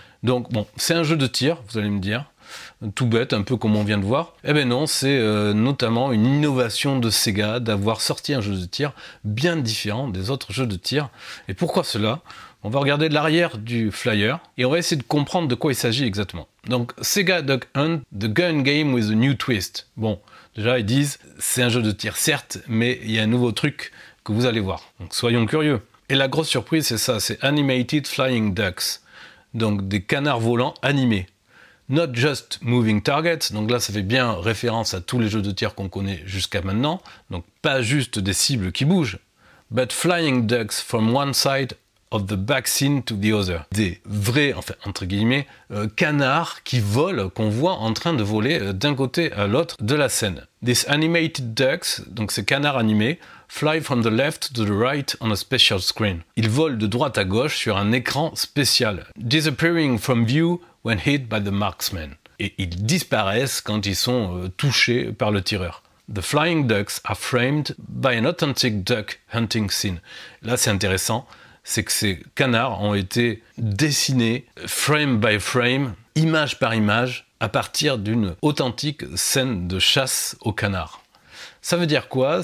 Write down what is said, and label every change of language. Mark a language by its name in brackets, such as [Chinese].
[French] Donc, bon, c'est un jeu de tir, vous allez me dire, tout bête, un peu comme on vient de voir. Eh bien non, c'est notamment une innovation de Sega d'avoir sorti un jeu de tir bien différent des autres jeux de tir. Et pourquoi cela ? On va regarder l'arrière du flyer et on va essayer de comprendre de quoi il s'agit exactement. [English] Donc, Sega Duck Hunt, the gun game with a new twist. [French] Bon, déjà, ils disent, c'est un jeu de tir, certes, mais il y a un nouveau truc que vous allez voir. Donc, soyons curieux. Et la grosse surprise, c'est ça, c'est [English] Animated Flying Ducks. [French] donc des canards volants animés. [English] Not Just Moving Targets, [French] donc là ça fait bien référence à tous les jeux de tir qu'on connaît jusqu'à maintenant, donc pas juste des cibles qui bougent, [English] but flying ducks from one side of the back scene to the other. [French] Des vrais, enfin entre guillemets, canards qui volent, qu'on voit en train de voler d'un côté à l'autre de la scène. [English] These animated ducks, [French] donc ces canards animés, [English] fly from the left to the right on a special screen. [French] Ils volent de droite à gauche sur un écran spécial. [English] Disappearing from view when hit by the marksman. [French] Et ils disparaissent quand ils sont touchés par le tireur. [English] The flying ducks are framed by an authentic duck hunting scene. [French] Là, c'est intéressant. C'est que ces canards ont été dessinés [English] frame by frame, [French] image par image, à partir d'une authentique scène de chasse aux canards. Ça veut dire quoi?